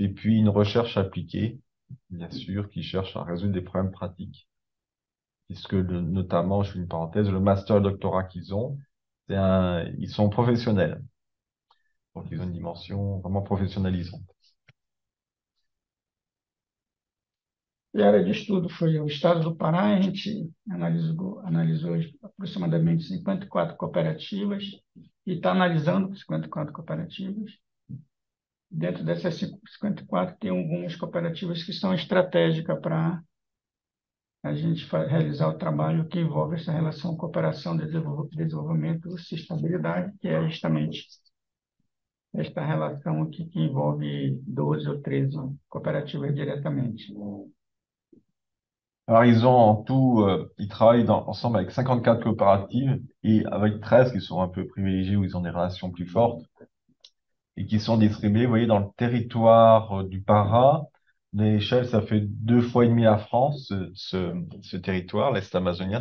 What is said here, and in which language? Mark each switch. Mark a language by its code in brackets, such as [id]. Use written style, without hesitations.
[fr] Et puis une recherche appliquée, bien sûr, qui cherche à résoudre des problèmes pratiques. Puisque notamment, je fais une parenthèse, le master et le doctorat qu'ils ont, ils sont professionnels. Donc, ils ont une dimension vraiment professionnalisante. [pt] E a área de estudo foi o estado do Pará. A gente analisou aproximadamente 54 cooperativas e está analisando 54 cooperativas. Dentro dessas 54, tem algumas cooperativas que são estratégicas para a gente realizar o trabalho que envolve essa relação cooperação, desenvolvimento e sustentabilidade, que é justamente esta relação aqui que envolve 12 ou 13 cooperativas diretamente. [fr] Alors, ils ont en tout, ils travaillent ensemble avec 54 coopératives et avec 13 qui sont un peu privilégiées où ils ont des relations plus fortes et qui sont distribuées, vous voyez, dans le territoire du Pará. L'échelle, ça fait 2,5 fois la France, ce territoire, l'Est amazonien.